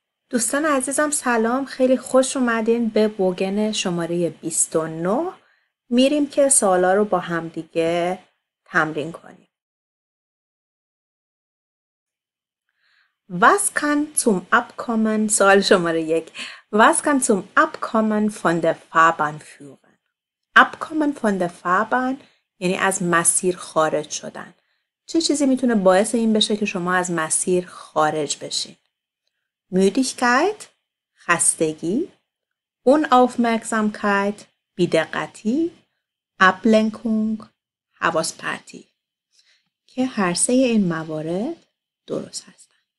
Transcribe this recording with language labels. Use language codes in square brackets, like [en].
[fa] دوستان عزیزم سلام، خیلی خوش اومدین به بوگن شماره 29. میریم که سوالا رو با همدیگه تمرین کنیم. [de] Was kann zum Abkommen [fa] سوال شماره 1. [de] Was kann zum Abkommen von der Fahrbahn führen? Abkommen von der Fahrbahn [fa] یعنی از مسیر خارج شدن. چه چیزی میتونه باعث این بشه که شما از مسیر خارج بشین؟ Müdigkeit, خستگی, Unaufmerksamkeit, بیدقتی, Ablenkung, حواسپرتی که هر سه این موارد درست هستن.